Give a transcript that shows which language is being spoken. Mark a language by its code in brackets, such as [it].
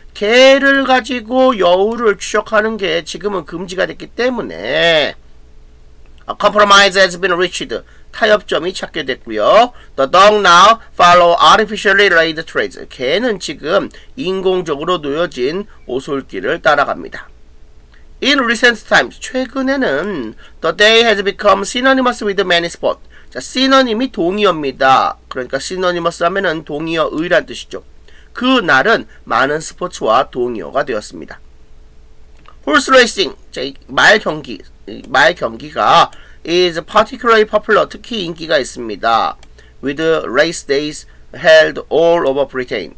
[ko] 개를 가지고 여우를 추적하는 게 지금은 금지가 됐기 때문에 [en] A compromise has been reached. [ko] 타협점이 찾게 됐고요. [en] The dog now follow artificially laid trails. [ko] 개는 지금 인공적으로 놓여진 오솔길을 따라갑니다. [en] In recent times, [ko] 최근에는 [en] the day has become synonymous with many sports. [ko] 자, synonym이 동의어입니다. 그러니까 synonymous 하면은 동의어 의란 뜻이죠. 그 날은 많은 스포츠와 동의어가 되었습니다. [en] Horse racing, [ko] 자, 말 경기가 [en] is particularly popular, [ko] 특히 인기가 있습니다. [en] With race days held all over Britain.